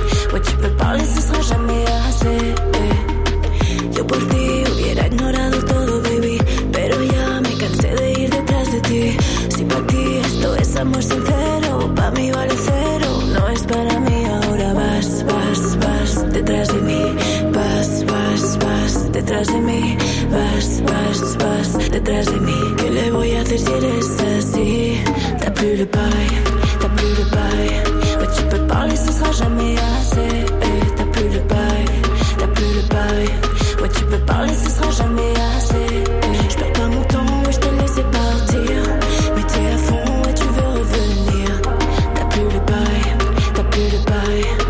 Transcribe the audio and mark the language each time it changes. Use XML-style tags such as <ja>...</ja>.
<fr>Ouais, tu peux parler, ce sera jamais assez.</fr> <es>Yo por ti hubiera ignorado todo, baby. Pero ya me cansé de ir detrás de ti. Si pa' ti esto es amor sincero, pa' mí vale cero. No es para mí, ahora vas, vas, vas detrás de mí. Vas, vas, vas detrás de mí. Vas, vas, vas detrás de mí. ¿Qué le voy a hacer si eres así?</es> <fr>T'as plus le pay, t'as plus le pay. Tu peux parler, ce sera jamais assez. T'as plus le bail, t'as plus le bail. Ouais, tu peux parler, ce sera jamais assez. J'perds pas mon temps, ouais, j't'ai laissé partir. Mais t'es à fond, ouais, tu veux revenir. T'as plus le bail, t'as plus le bail.</fr>